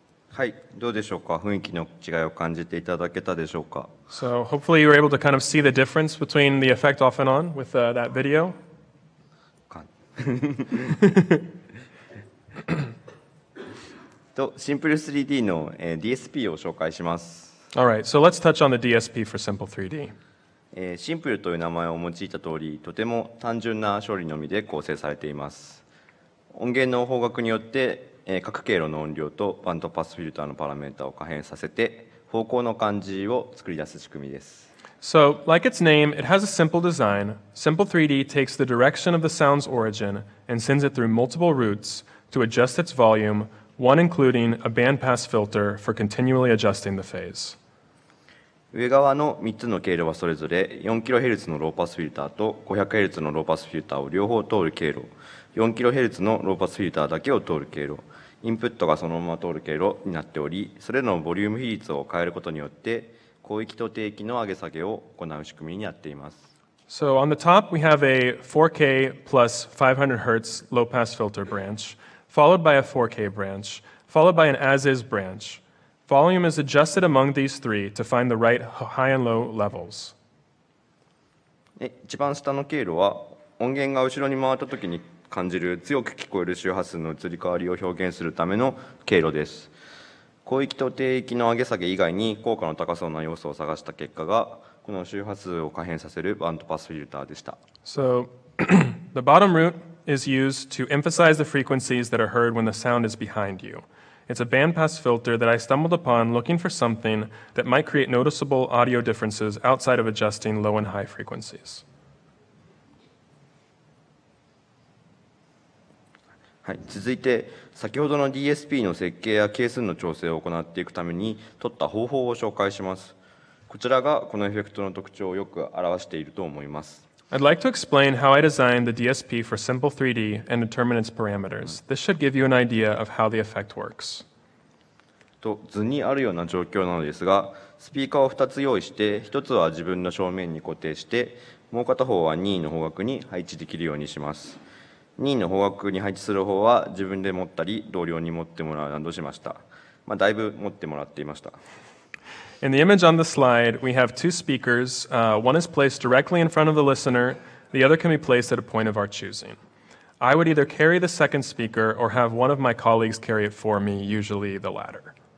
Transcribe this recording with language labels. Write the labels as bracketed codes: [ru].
[ja] はい、どうでしょうか。雰囲気の違いを感じていただけたでしょうか。 [en] So hopefully you were able to kind of see the difference between the effect off and on with that video. [ja] とシンプル 3D の、DSP を紹介します。 [en] All right, so let's touch on the DSP for Simple 3D. [ja] シンプルという名前を用いた通り、とても単純な処理のみで構成されています。音源の方角によって、各経路の音量とバンドパスフィルターのパラメータを可変させて、方向の感じを作り出す仕組みです。 [en] So, like its name, it has a simple design. Simple 3D takes the direction of the sound's origin and sends it through multiple routes to adjust its volume, one including a bandpass filter for continually adjusting the phase. [ja] 上側の3つの経路はそれぞれ 4kHz のローパスフィルターと 500kHz のローパスフィルターを両方通る経路、4kHz のローパスフィルターだけを通る経路、インプットがそのまま通る経路になっており、それらのボリューム比率を変えることによって、広域と低域の上げ下げを行う仕組みになっています。 [en] So on the top, we have a 4K plus 500Hz low pass filter branch, followed by a 4K branch, followed by an as-is branch. Volume is adjusted among these three to find the right high and low levels. [ja] 一番下の経路は、音源が後ろに回ったときに感じる強く聞こえる周波数の移り変わりを表現するための経路です。広域と低域の上げ下げ以外に効果の高そうな要素を探した結果がこの周波数を可変させるバンドパスフィルターでした。 [en] So, the bottom route is used to emphasize the frequencies that are heard when the sound is behind you. It's a bandpass filter that I stumbled upon looking for something that might create noticeable audio differences outside of adjusting low and high frequencies. [ja] はい、続いて先ほどの DSP の設計や係数の調整を行っていくために取った方法を紹介します。こちらがこのエフェクトの特徴をよく表していると思います。 [en] I'd like to explain how I designed the DSP for Simple 3D and determine its parameters. This should give you an idea of how the effect works. [ja] と図にあるような状況なのですが、スピーカーを2つ用意して、1つは自分の正面に固定して、もう片方は任意の方角に配置できるようにします。任意の方角に配置する方は自分で持ったり同僚に持ってもらうなどしました。まあ、だいぶ持ってもらっていました。 [en] In the image on the slide, we have two speakers. One is placed directly in front of the listener. The other can be placed at a point of our choosing. I would either carry the second speaker or have one of my colleagues carry it for me, usually the latter.